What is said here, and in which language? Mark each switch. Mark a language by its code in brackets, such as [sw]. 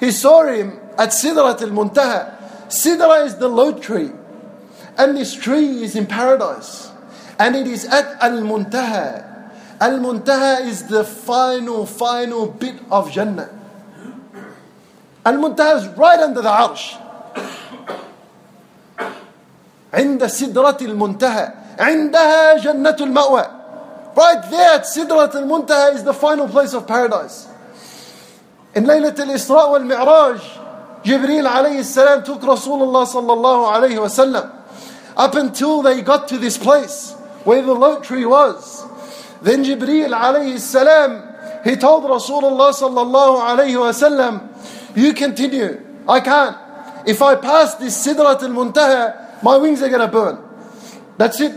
[en] He saw him at سِدْرَة الْمُنْتَهَى. Sidra is the low tree. And this tree is in paradise. And it is at الْمُنْتَهَى. الْمُنْتَهَى is the final bit of Jannah. الْمُنْتَهَى is right under the arsh. [ar] عند سدرة المنتهى عندها جنة المأوى. [en] Right there at سدرة المنتهى is the final place of paradise. In ليلة الإسراء والمعراج, جبريل عليه السلام took رسول الله صلى الله عليه وسلم. Up until they got to this place where the low tree was, then جبريل عليه السلام, he told رسول الله صلى الله عليه وسلم, you continue, I can't. If I pass this سدرة المنتهى, my wings are going to burn. That's it.